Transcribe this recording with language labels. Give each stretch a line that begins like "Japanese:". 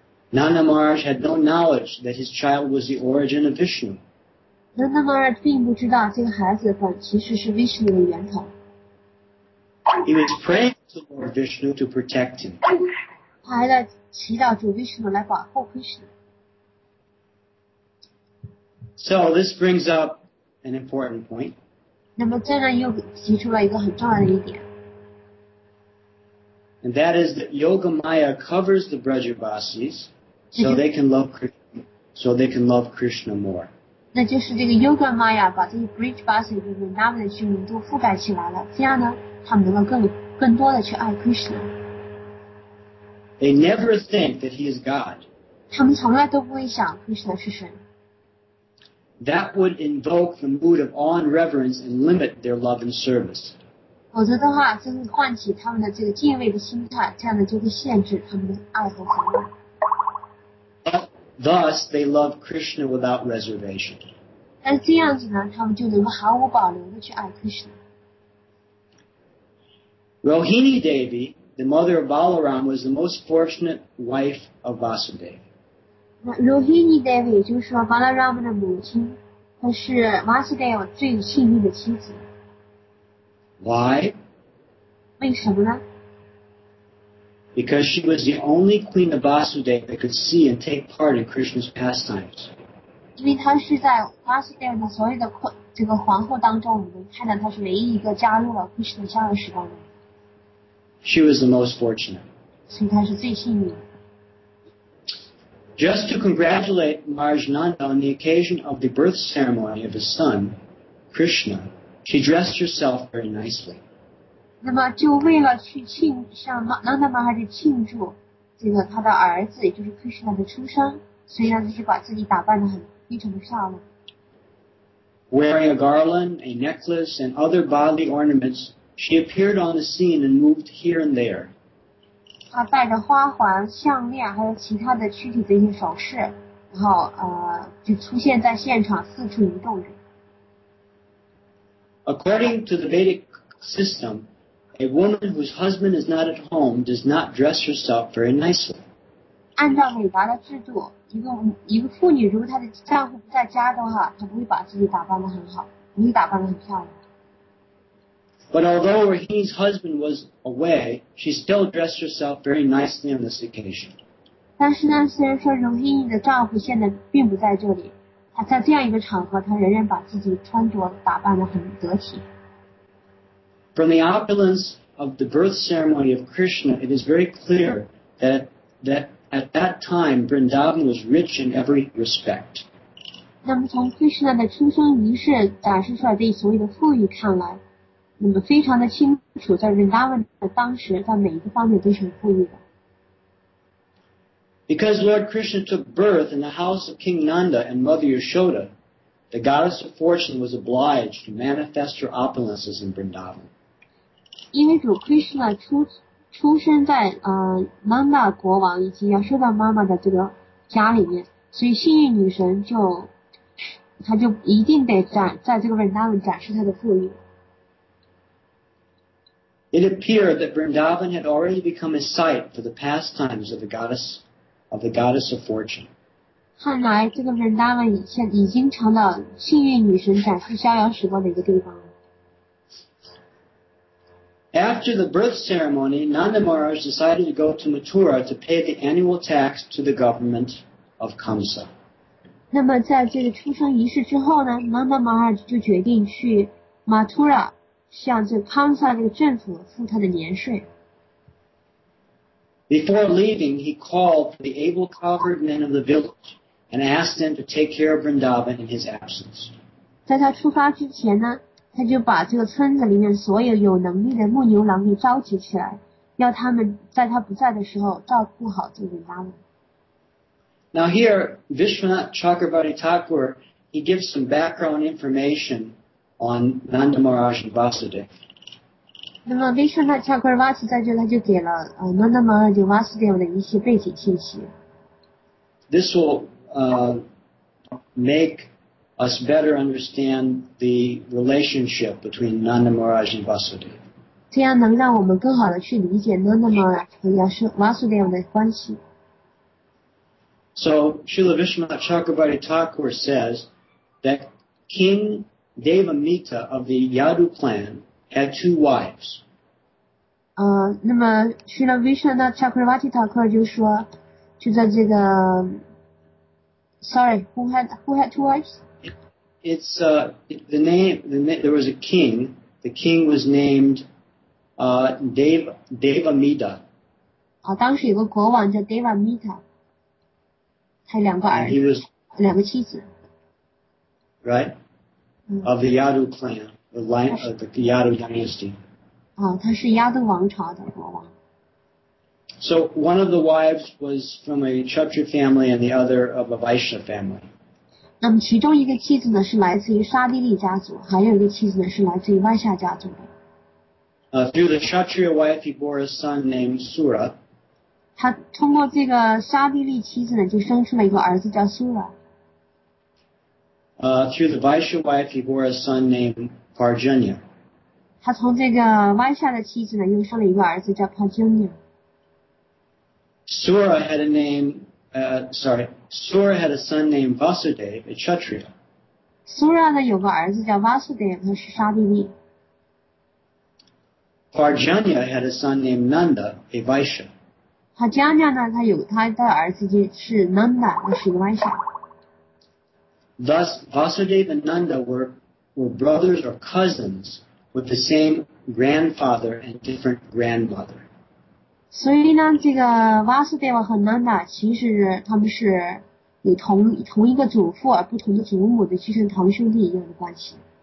English: Nanda Maharaj had no knowledge that his child was the origin of Vishnu.
Chinese: Nanda Maharaj 并不知道这个孩子本其实是 Vishnu 的源头。
English: He was praying to Lord Vishnu to protect him.
Chinese: 他还在祈祷主 Vishnu 来保护 Krishna。
English: So this brings up an important point.
Chinese: 那么这呢又提出了一个很重要的一点。
English: And that is that Yoga Maya covers the Brajavasis so they can love Krishna more.
Chinese: 那就是这个 Yoga Maya 把这些 Brajavasis 的那么的居民都覆盖起来了，这样呢他们能够更多的去爱 Krishna。
English: They never think that he is God.
Chinese: 他们从来都不会想 Krishna 是神。
English: That would invoke the mood of awe and reverence and limit their love and service.
Chinese: 否则的话，就会唤起他们的这个敬畏的心态，这样呢就会限制他们的爱和服务。
English: Thus, they love Krishna without reservation.
Chinese: 但这样子呢，他们就能够毫无保留的去爱 Krishna。
English: Rohini Devi, the mother of Balaram, was the most fortunate wife of Vasudeva.
Chinese: Rohini Devi 就是说 Balaram 的母亲，她是 Vasudeva 最幸运的妻子。
English: Why?
Chinese: 为什么呢？
English: Because she was the only queen of Vasudeva that could see and take part in Krishna's pastimes.
Chinese: 因为她是在 Vasudeva 的所有的这个皇后当中，我们看到她是唯一一个加入了 Krishna 逍遥时光的。
English: She was the most fortunate.
Chinese: 所以她是最幸运的。
English: Just to congratulate Maharaj Nanda on the occasion of the birth ceremony of his son, Krishna, she dressed herself very nicely.
Chinese: 那么就为了去庆向 Nanda Maharaj 庆祝这个他的儿子，也就是 Krishna 的出生，所以呢，就把自己打扮得很一整串了。
English: Wearing a garland, a necklace, and other bodily ornaments, she appeared on the scene and moved here and there.
Chinese: 她戴着花环、项链，还有其他的躯体的一些首饰，然后就出现在现场，四处移动着。
English: According to the Vedic system, a woman whose husband is not at home does not dress herself very nicely.
Chinese: 按照韦达的制度，一个妇女如果她的丈夫不在家的话，她不会把自己打扮得很好，不会打扮得很漂亮。
English: But although Rahini's husband was away, she still dressed herself very nicely on this occasion.
Chinese: 但是呢，虽然说 Rahini 的丈夫现在并不在这里，她在这样一个场合，她仍然把自己穿着打扮得很得体。
English: From the opulence of the birth ceremony of Krishna, it is very clear that at that time, Vrindavan was rich in every respect.
Chinese: 那么从 Krishna 的出生仪式展示出来的所谓的富裕看来，那么非常的清楚，在 Vrindavan 的当时，在每一个方面都是很富裕的。
English: Because Lord Krishna took birth in the house of King Nanda and Mother Yashoda, the goddess of fortune was obliged to manifest her opulences in Vrindavan.
Chinese: 因为主 Krishna 出生在Nanda 国王以及 Yashoda 妈妈的这个家里面，所以幸运女神她就一定得在这个 Vrindavan 展示她的富裕。
English: It appeared that Vrindavan had already become a site for the pastimes of the goddess of fortune.
Chinese: 看来这个 Vrindavan 已经成了幸运女神展示逍遥时光的一个地方。
English: After the birth ceremony, Nanda Maharaj decided to go to Mathura to pay the annual tax to the government of Kamsa.
Chinese: 那么在这个出生仪式之后呢， Nanda Maharaj 就决定去 Mathura向这康萨这个政府付他的年税。
English: Before leaving, he called for the able covered men of the village and asked them to take care of Vrindavan in his absence.
Chinese: 在他出发之前呢，他就把这个村子里面所有有能力的牧牛郎给召集起来，要他们在他不在的时候照顾好这个 Vrindavan。
English: Now here, Vishwanath Chakravarti Thakur, he gives some background information. On Nanda Maharaj and Vasudev.
Chinese: 那么 Vishwanath Chakravarti 在这他就给了Nanda Maharaj
English: and
Chinese: Vasudev 的一些背景信息。
English: This will make us better understand the relationship between Nanda Maharaj and Vasudev.
Chinese: 这样能让我们更好的去理解 Nanda Maharaj 和Vasudev 的关系。
English: So Srila Vishwanath Chakravarti Thakur says that King. Devamita of the Yadu clan had two wives.
Chinese: 那么Srila Vishwanath Chakravarti Thakur 就说，就在这个 ，
English: sorry, who had two wives? It's the name. There was a king. The king was named Devamita.
Chinese: 当时有个国王叫 Devamita， 他有两个儿子，
English: he was
Chinese: 两个妻子。
English: Right. Of the Yadu clan, the line of the Yadu dynasty.
Chinese: 他是 Yadu 王朝的国王。
English: So one of the wives was from a Kshatriya family, and the other of a Vaishya family.
Chinese: 那么其中一个妻子呢是来自于沙地利家族，还有一个妻子呢是来自于万夏家族的。
English: Through the Kshatriya wife, he bore a son named Sura.
Chinese: 他通过这个沙地利妻子呢，就生出了一个儿子叫 Sura。
English: Through the Vaishya wife, he bore a son named Parjanya.
Chinese: 他从这个 Vaishya 的妻子呢，又生了一个儿子叫 Parjanya.
English: Sura had a name, Sura had a son named Vasudev, a Kshatriya.
Chinese: Sura 呢有个儿子叫 Vasudev, 他是沙地利。
English: Parjanya had a son named Nanda, a Vaishya.
Chinese: Parjanya 呢，他的儿子就是 Nanda, 他是一个 Vaishya。
English: Thus, Vasudeva and Nanda were brothers or cousins with the same grandfather and different grandmother.
Chinese: 所以呢，这个 Vasudeva 和 Nanda 其实他们是有同一个祖父而不同的祖母的亲生堂兄弟一样的关系。